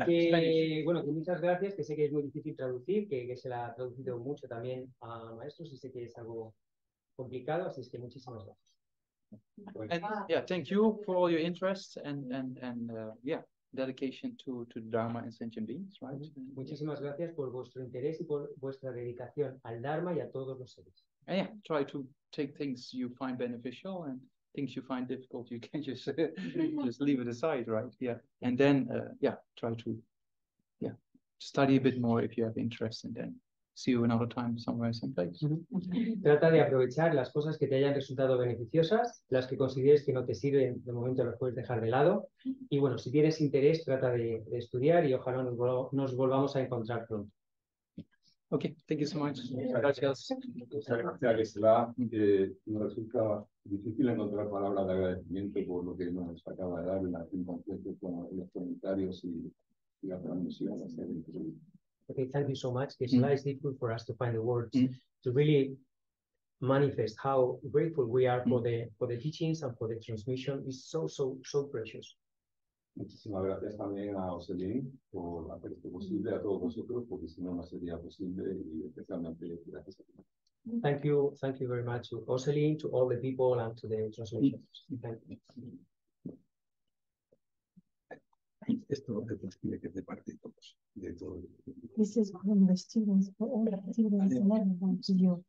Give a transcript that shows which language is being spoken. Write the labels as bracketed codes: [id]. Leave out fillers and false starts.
[es] Que muchas gracias, que sé que es muy difícil traducir, que se la ha traducido mucho también a maestros, y sé que es algo complicado, así es que muchísimas gracias. [en] And yeah, thank you for all your interest and dedication to Dharma and sentient beings, right? [es] Muchísimas gracias por vuestro interés y por vuestra dedicación al Dharma y a todos los seres. [en] And yeah, try to take things you find beneficial and things you find difficult, you can just just leave it aside, right? Yeah, and then try to study a bit more if you have interest, and then see you another time somewhere, someplace. [es] Trata de aprovechar las cosas que te hayan resultado beneficiosas, las que consideres que no te sirven, de momento las puedes dejar de lado. Y bueno, si tienes interés, trata de estudiar y ojalá nos volvamos a encontrar pronto. [en] Okay, thank you so much. [es] Gracias. Muchas gracias, Gisela. Me resulta difícil encontrar palabras de agradecimiento por lo que nos acaba de dar en la acción completa con los comentarios y la transmisión. [en] Okay, thank you so much. It's difficult for us to find the words to really manifest how grateful we are for the teachings and for the transmission is so, so, so precious. [es] Muchísimas gracias también a Oseling por hacer esto posible, a todos vosotros, porque si no, no sería posible, y especialmente gracias a ti. [en] Thank you very much to Oseling, to all the people, and to the transmission. Thank you. [es] Esto es lo que es de parte de todos, de todo. [en] This is from the students, for all the students, and everyone to you.